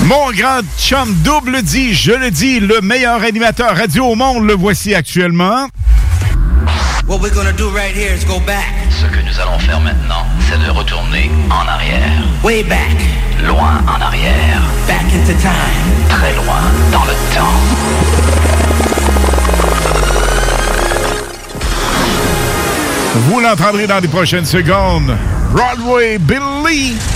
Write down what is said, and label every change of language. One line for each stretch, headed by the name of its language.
French: Grand chum double dit, je le dis, le meilleur animateur radio au monde, le voici actuellement.
English: What we're gonna do right here is go back.
French: Ce que nous allons faire maintenant, c'est de retourner en arrière.
English: Way back.
French: Loin en arrière.
English: Back into time.
French: Très loin dans le temps. Vous l'entendrez dans les prochaines secondes. Broadway Billy.